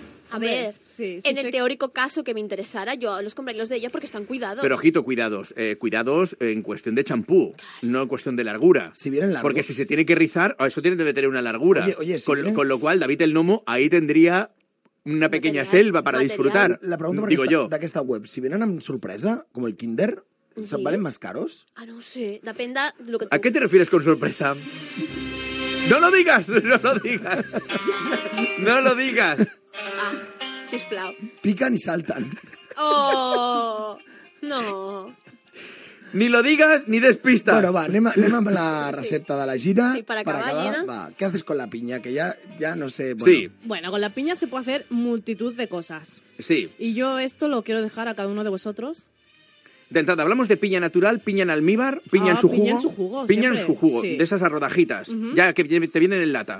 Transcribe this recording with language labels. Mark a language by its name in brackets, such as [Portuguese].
[Spanish] A ver, en el teórico caso que me interesara, yo los compraría los de ella porque están cuidados. Pero ojito, cuidados. Cuidados en cuestión de champú, no en cuestión de largura. Si vienen largos. Porque si se tiene que rizar, eso debe tener una largura. Oye, si con lo cual, David el Nomo ahí tendría... Una pequeña material, selva para material. Disfrutar. La pregunta digo yo. [Catalan] D'aquesta web, si venen amb sorpresa, com el Kinder, sí. [Spanish] Se'n valen más caros? [Catalan] Ah, no sé. Depèn de lo que [Spanish] tu... ¿A què te refieres con sorpresa? ¡No lo digas! ¡No lo digas! ¡No lo digas! [Catalan] Ah, sisplau. [Spanish] Pican y saltan. Oh, no. Ni lo digas ni des pista. [Catalan] Bueno, va, anem amb la recepta de la gira. [Spanish] Sí, para acabar gira. Va, ¿qué haces con la piña? Que ya no sé. Bueno. Sí. Bueno, con la piña se puede hacer multitud de cosas. Sí. Y yo esto lo quiero dejar a cada uno de vosotros. De entrada, hablamos de piña natural, piña en almíbar, piña en su jugo. Piña en su jugo, piña siempre. En su jugo, sí. De esas a rodajitas, uh-huh. Ya que te vienen en lata.